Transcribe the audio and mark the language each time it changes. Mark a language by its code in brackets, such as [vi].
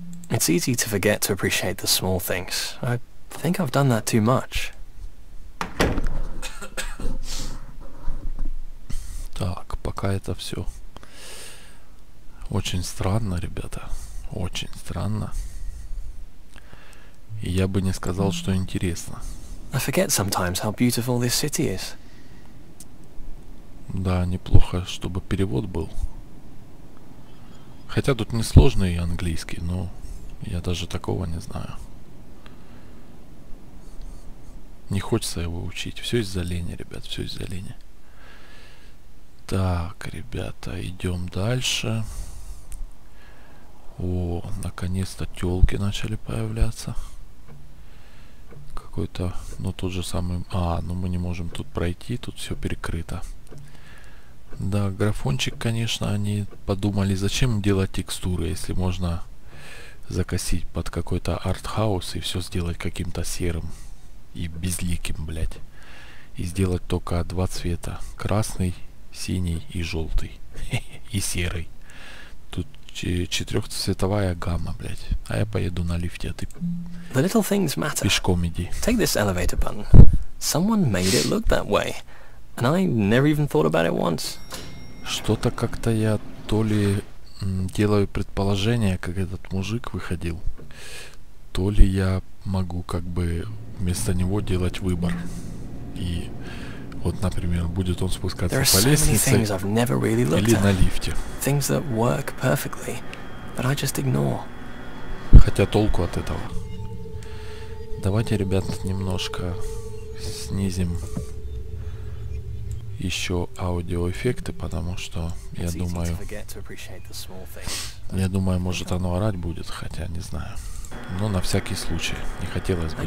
[en] It's easy to forget to appreciate the small things. I think I've done that too much. [ru] Так, пока это все очень странно, ребята. Очень странно. И я бы не сказал, что интересно. [en] I forget sometimes how beautiful this city is. [ru] Да, неплохо, чтобы перевод был. Хотя тут не сложный английский, но я даже такого не знаю. Не хочется его учить. Все из-за лени, ребят, все из-за лени. Так, ребята, идем дальше. О, наконец-то тёлки начали появляться. Какой-то, ну тот же самый... А, ну мы не можем тут пройти, тут все перекрыто. Да, графончик, конечно, они подумали, зачем делать текстуры, если можно закосить под какой-то артхаус и все сделать каким-то серым и безликим, блядь. И сделать только два цвета. Красный, синий и желтый. И серый. Тут четырехцветовая гамма, блядь. А я поеду на лифте, а ты [en] The little things matter. [ru] Пешком иди. [en] Take this elevator button. Someone made it look that way. And I never even thought about it once. [ru] Что-то как-то я то ли делаю предположение, как этот мужик выходил, то ли я могу как бы вместо него делать выбор. И вот, например, будет он спускаться по лестнице или на лифте. [en] Things that work perfectly, but I just ignore. [ru] Хотя толку от этого. Давайте, ребят, немножко снизим еще аудиоэффекты, потому что я думаю, может оно орать будет, хотя не знаю. Но на всякий случай, не хотелось бы,